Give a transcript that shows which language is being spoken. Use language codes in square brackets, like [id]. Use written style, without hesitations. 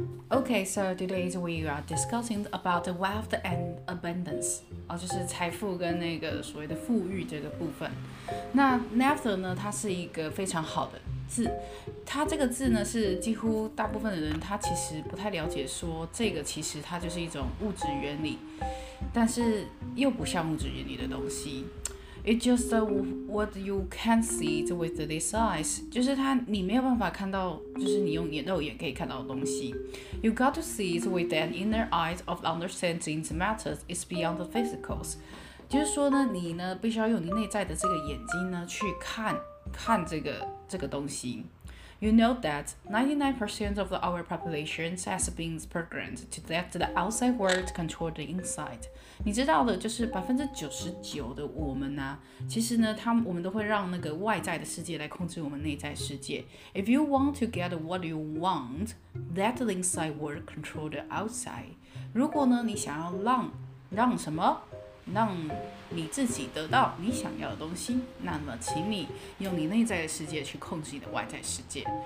[en] Okay, so today we are discussing about wealth and abundance. [zh] 哦，就是财富跟那个所谓的富裕这个部分。那 Neither 呢，它是一个非常好的字。它这个字呢，是几乎大部分的人他其实不太了解，说这个其实它就是一种物质原理，但是又不像物质原理的东西。 [en] It's just what you can't see with this eyes. [zh] 就是它你没有办法看到，就是你用肉眼可以看到的东西。 [en] You got to see it with an inner eyes of understanding the matters is beyond the physicals. [zh] 就是说呢，你呢必须要用你内在的这个眼睛呢去看看这个东西。 [en] You know that 99% of our population has been programmed to let the outside world control the inside. [zh] 你知道的，就是 99% 的我们啊，其实呢，我们都会让那个外在的世界来控制我们内在世界。 [en] If you want to get what you want, let the inside world control the outside. [zh] 如果呢，你想要让什么？让你自己得到你想要的东西，那么请你用你内在的世界去控制你的外在世界。